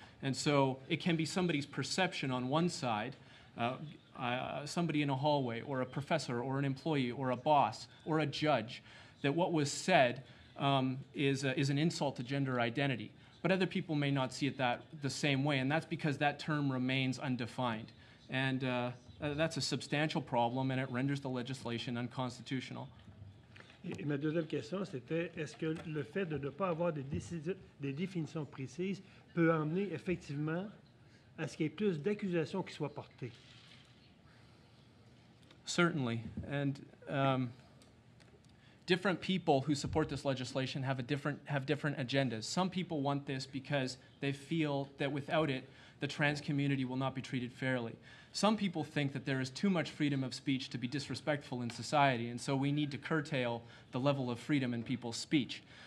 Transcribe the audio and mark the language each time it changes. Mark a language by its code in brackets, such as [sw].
[en] And so it can be somebody's perception on one side, somebody in a hallway, or a professor, or an employee, or a boss, or a judge, that what was said is an insult to gender identity. But other people may not see it the same way, and that's because that term remains undefined. And that's a substantial problem, and it renders the legislation unconstitutional. [fr] Et ma deuxième question, c'était, est-ce que le fait de ne pas avoir des définitions précises peut amener effectivement à ce qu'il y ait plus d'accusations qui soient portées? [en] Certainly. And different people who support this legislation have different agendas. Some people want this because they feel that without it, the trans community will not be treated fairly. Some people think that there is too much freedom of speech to be disrespectful in society, and so we need to curtail the level of freedom in people's speech.